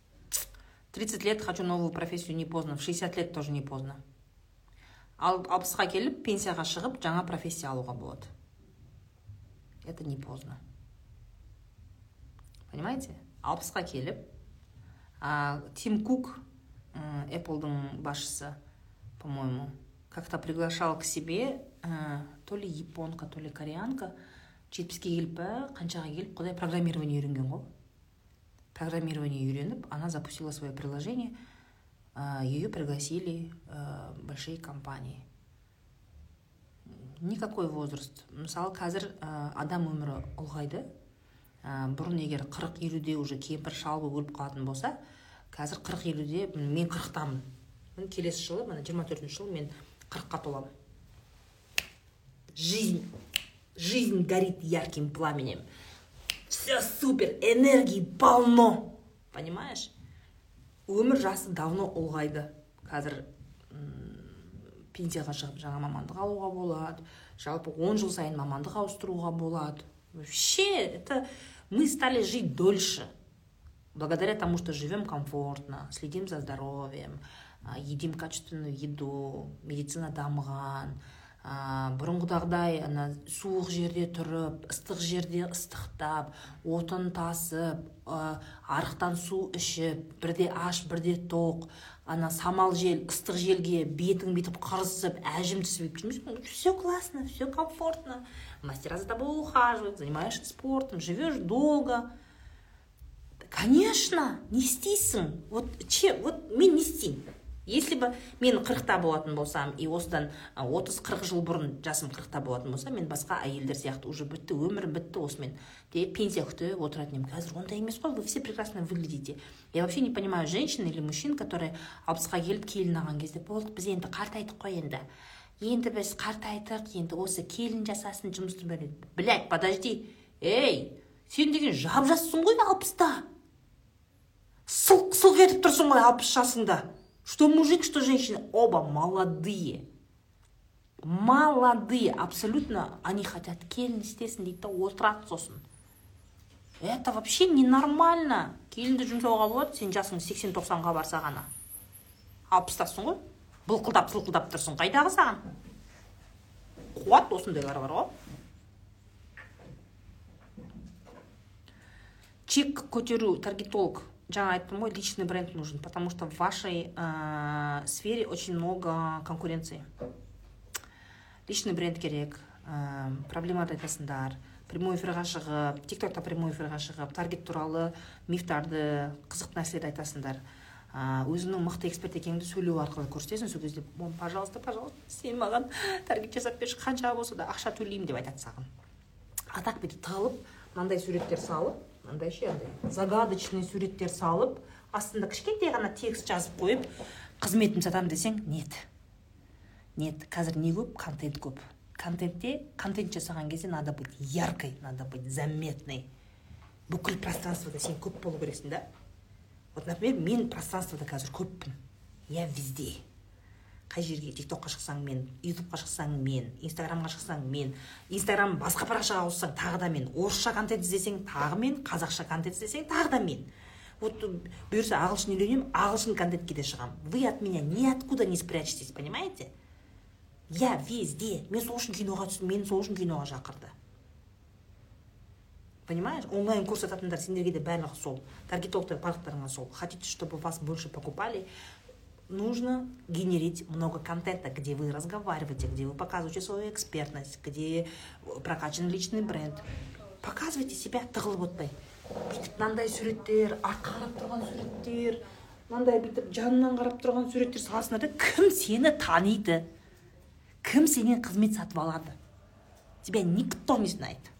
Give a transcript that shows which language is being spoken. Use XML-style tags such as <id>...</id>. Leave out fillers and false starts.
<ru>В 30 лет хочу новую профессию, не поздно. В 60 лет тоже не поздно.</ru> <kk>Алпысқа келіп, пенсияға шығып, жаңа профессия алуға болады.</kk> <ru>Это не поздно. Понимаете?</ru> <kk>Алпысқа келіп,</kk> <ru>Тим Кук,</ru> <kk>Apple-дың басшысы,</kk> <ru>по-моему, как-то приглашал к себе то ли японка, то ли кореянка.</ru> <kk>70-ке келіп, қаншаға келіп, құдай программирование үйренген ғой. Программирование юренеп,</kk> <ru>она запустила свое приложение, ее пригласили большие компании. Никакой возраст.</ru> <kk>Мысалы, қазір адам өмірі ұлғайды. Бұрын егер 40-50-де уже кемпір шалбы өліп қалатын болса, қазір 40-50-де мен 40-тамын. Келесі жылы, 24-ші жылы мен 40-қа толамын.</kk> <ru>Жизнь горит ярким пламенем. Все супер, энергии полно. Понимаешь?</ru> <kk>Өмір жасы давно ұлғайды. Қазір пенсияға шығып жаңа мамандық алуға болады. Жалпы 10 жыл сайын мамандық ауыстыруға болады.</kk> <ru>Вообще, это мы стали жить дольше. Благодаря тому, что живем комфортно, следим за здоровьем, едим качественную еду,</ru> <kk>медицина дамыған. Бұрынғыдағыдай ана суық жерде тұрып, ыстық жерде ыстықтап, отын тасып, арықтан су ішіп, бірде аш, бірде тоқ, ана самал жел, ыстық желге бетің бетіп қырысып, әжім түсіп кетіп жүрмейсің.</kk> <ru>Все классно, все комфортно. Мастера за тобой ухаживают, занимаешься спортом, живешь долго. Конечно,</ru> <kk>не істейсің.</kk> <ru>Вот че, вот</ru> <kk>мен не істейм.</kk> <ru>Если бы</ru> <kk>мен 40-та болатын болсам, и осыдан 30-40 жыл бұрын жасым 40-та болатын болса, мен басқа әйелдер сияқты уже бітті, өмір бітті осымен. Де пенсия күтіп отыратын едім. Қазір ондай емес қой,</kk> <ru>вы все прекрасно выглядите. Я вообще не понимаю женщин или мужчин, которые</ru> <kk>60-қа келіп келін алған кезде, болдық, біз енді қартайдық қой енді. Енді біз қартайдық, енді осы келін жасасын, жұмысты береді.</kk> <ru>Блядь, подожди.</ru> <kk>Эй, сен деген жап жассың ғой 60-та. Сылқ-сылқ етіп тұрсың ғой 60 жасында.</kk> <ru>Что мужик, что женщина, оба молодые. Молодые, абсолютно. Они хотят келін, естественно,</ru> <kk>дейді, отырады сосын.</kk> <ru>Это вообще ненормально.</ru> <kk>Келінді жұмсауға болады, сен жасың 80-90-ға барса ғана. Алпыстасың ғой? Былқылдап-сылқылдап тұрсың, қайдағы саған? Қуат осындайлар бар ғой. Чек көтеру, таргетолог. Жаңа айттым ғой,</kk> <ru>личный бренд нужен, потому что в вашей сфере очень много конкуренции.</ru> <kk>Личный бренд керек, проблемаларды айтасыңдар, прямой эфирға шығып, TikTok-та прямой эфирға шығып, таргет туралы мифтарды, қызық нәрселерді айтасыңдар. Өзіңнің мықты эксперт екеніңді сөйлеу арқылы көрсетесің, сол кезде,</kk> <ru>пожалуйста, пожалуйста,</ru> <kk>сен маған таргет жасап берші, қанша болса да ақша төлеймін деп айтады саған. А так бүйтіп тығылып, мынандай суреттер салып, андай ше, андай загадочный суреттер салып, астында кішкентай ғана текст жазып қойып, қызметімді сатамын десең, нет. Нет, қазір не көп, контент көп. Контентте, контент жасаған кезде</kk> <ru>надо быть яркой, надо быть заметной.</ru> <kk>Бүкіл пространствода сен көп болу керексің, да?</kk> <ru>Вот, например,</ru> <kk>мен пространствода қазір көппін.</kk> <ru>Я везде.</ru> <kk>Қай жерге TikTok-қа шықсаң мен, YouTube-қа шықсаң мен, Instagram-ға шықсаң мен, Instagram басқа парақшаға ауыссаң тағы да мен, орысша контент іздесең тағы мен, қазақша контент іздесең тағы да мен. Вот бұйырса ағылшын үйренем, ағылшын контентке де шығам.</kk> <ru>Вы от меня ниоткуда не спрячетесь, понимаете? Я везде.</ru> <kk>Мен сол үшін киноға түстім, мен сол үшін киноға шақырды. Понимаешь? Онлайн курс сататындар сендерге де барлығы сол. Таргетологтар парақтарыңа сол.</kk> <ru>Хотите, чтобы вас больше покупали? Нужно генерить много контента, где вы разговариваете, где вы показываете свою экспертность, где прокачан личный бренд. Показывайте себя</ru> <kk>тығылып отпай. Бүйтіп, мынандай суреттер, артқа қарап тұрған суреттер, мынандай бүйтіп, жанынан қарап тұрған суреттер саласыңдар да, кім сені таниды? Кім сенен қызмет сатып алады?</kk> <ru>Тебя никто не знает.</ru>